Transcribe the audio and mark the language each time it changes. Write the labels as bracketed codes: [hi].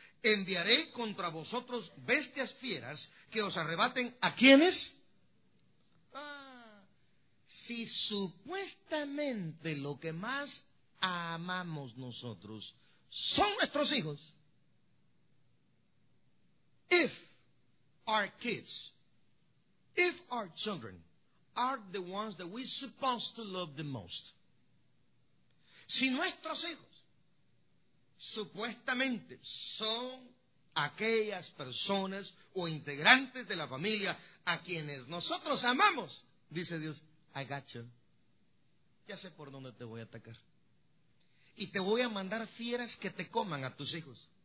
[es] enviaré contra vosotros bestias fieras que os arrebaten a quienes. Si supuestamente lo que más amamos nosotros son nuestros hijos. [en] If our kids, if our children are the ones that we're supposed to love the most. [es] Si nuestros hijos supuestamente son aquellas personas o integrantes de la familia a quienes nosotros amamos, dice Dios, [en] I got you. [es] Ya sé por dónde te voy a atacar. Y te voy a mandar fieras que te coman a tus hijos.